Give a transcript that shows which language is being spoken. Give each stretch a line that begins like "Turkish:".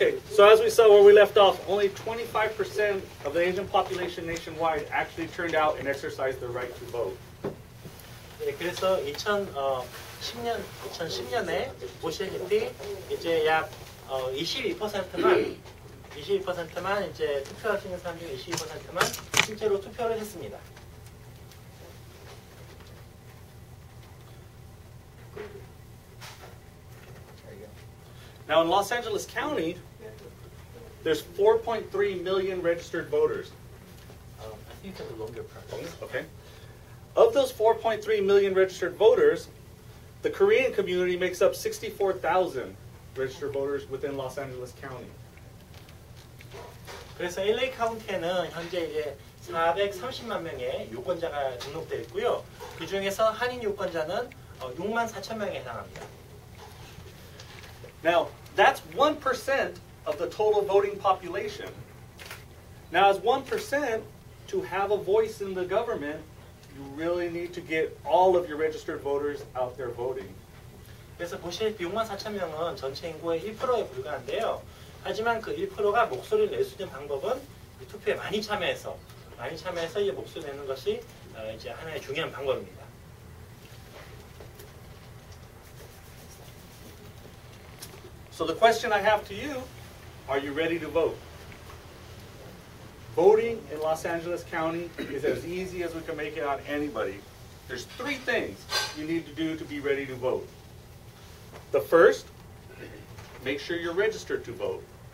English: So as we saw where we left off, only 25% of the Asian population nationwide actually turned out and exercised their right to vote.
Korean: 네, 그래서 2010년에 보시다시피 이제 약 22%만 이제 투표할 수 있는 사람 중에 22%만 실제로 투표를 했습니다. 그리고
English: Now in Los Angeles County there's 4.3 million registered voters. I think it's a longer process. Okay. Of those 4.3 million registered voters, the Korean community makes up 64,000 registered voters within Los Angeles County.
Korean: 그래서 LA 카운티에는 현재 이제 430만 명의 유권자가 등록되어 있고요. 그 중에서 한인 유권자는 6만 4천 명에 해당합니다.
English: Now, that's 1% of the total voting population. Now, as 1% to have a voice in the government, you really need to get all of your registered voters out there voting.
Korean: 그래서 보시다시피 6만 4천 명은 전체 인구의 1%에 불과한데요. 하지만 그 1%가 목소리를 낼 수 있는 방법은 투표에 많이 참여해서 많이 참여해서 이 목소리 내는 것이 이제 하나의 중요한 방법입니다.
English: So the question I have to you, are you ready to vote? Voting in Los Angeles County is as easy as we can make it on anybody. There's three things you need to do to be ready to vote. The first, make sure you're registered to vote.